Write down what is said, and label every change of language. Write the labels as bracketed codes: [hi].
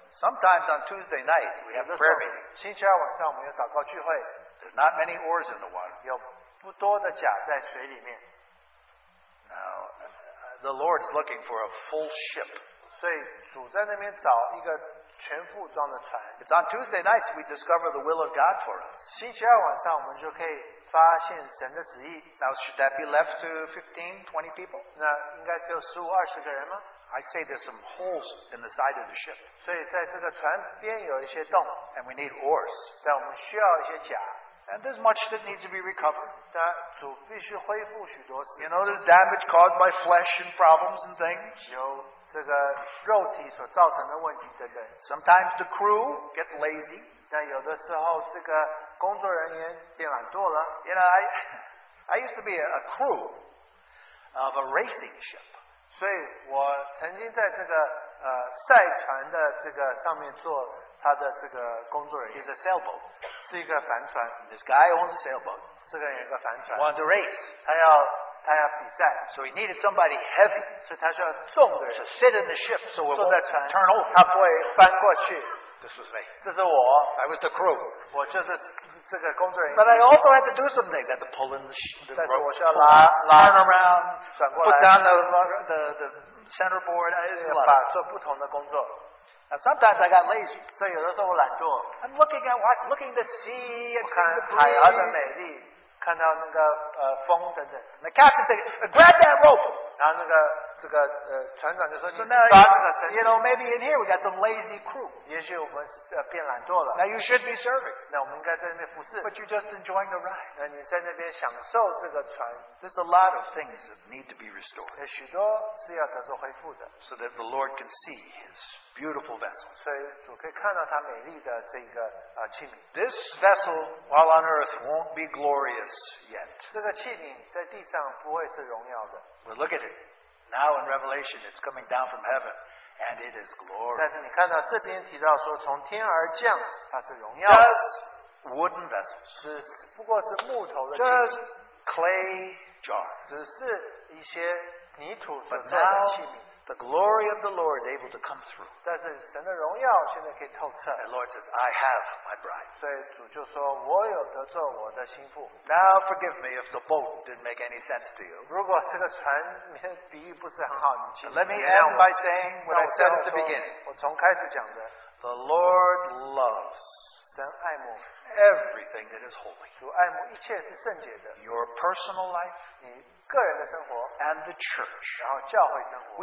[en] Sometimes on Tuesday night we have prayer meeting. [zh] 星期二晚上我们有祷告聚会。There's [en] not many oars in the water. [zh] 有不多的甲在水里面。Now, [en] the Lord's looking for a full ship. [zh] 所以主在那边找一个全副装的船。 [en] It's on Tuesday nights we discover the will of God for us. [zh] 星期二晚上我们就可以发现神的旨意。 [en] Now should that be left to 15, 20 people? [zh] 那应该只有15-20个人吗? [en] I say there's some holes in the side of the ship. [zh] 所以在这个船边有一些洞。 [en] And we need oars. [zh] 但我们需要一些甲。 [en] And there's much that needs to be recovered. [zh] 但主必须恢复许多事。 [en] You know there's damage caused by flesh and problems and things. [zh] 这个肉体所造成的问题，对不对? [en] Sometimes the crew gets lazy. [zh] 但有的时候这个工作人员变懒惰了。 [en] You know, I used to be a crew of a racing ship. [zh] 所以我曾经在这个赛船的这个上面做他的这个工作人员。 [en] He's a sailboat. [zh] 是一个帆船。 [en] This guy owns a sailboat. [zh] 这个人有个帆船。 [en] Wanted to race. [zh] 他要比赛, [en] so he needed somebody heavy to sit in the ship so it won't turn over. [zh] 他不会翻过去, [en] this was me. [zh] 这是我, [en] I was the crew. [zh] 我就是这个工作人, [en] but I also had to do some things. I had to pull in the rope, turn around, [zh] 转过来, [en] put down the center board. Now sometimes I got lazy. [zh] 所以有的时候我懒惰, [en] I'm looking at what? Looking at the sea and the breeze. [zh] 看到那个风等等。 [en] The captain said, grab that rope. [zh] 然后那个船长就说, [en] so now, you know, maybe in here we got some lazy crew. [zh] 也许我们变懒惰了。 [en] Now you should be serving. [zh] 那我们应该在那边服侍。 [en] But you're just enjoying the ride. [zh] 那你在那边享受这个船。 [en] There's a lot of things that need to be restored. [zh] 许多是要得到恢复的。 [en] So that the Lord can see His beautiful vessel. [zh] 所以主可以看到他美丽的这个器皿。 [en] This vessel, while on earth, won't be glorious yet. [zh] 这个器皿在地上不会是荣耀的。 [en] But look at it. Now in Revelation, it's coming down from heaven, and it is glorious. [zh] 但是你看到这边提到说从天而降，它是荣耀。 [en] Just wooden vessels. [zh] 只不过是木头的。 [en] Just clay jars. [zh] 只是一些泥土做的器皿。 [en] The glory of the Lord able to come through. And the Lord says, I have my bride. [zh] 所以主就说, [en] now forgive me if the boat didn't make any sense to you. [zh] 如果这个船比喻不是很好, [en] let me end by saying what I said at the beginning. [zh] 我从开始讲的, [en] the Lord loves [zh] 神爱慕, [en] everything that is holy. [zh] 主爱慕一切是圣洁的, [en] your personal life. [zh] 个人的生活, [en] and the church. [zh] 然后教会生活,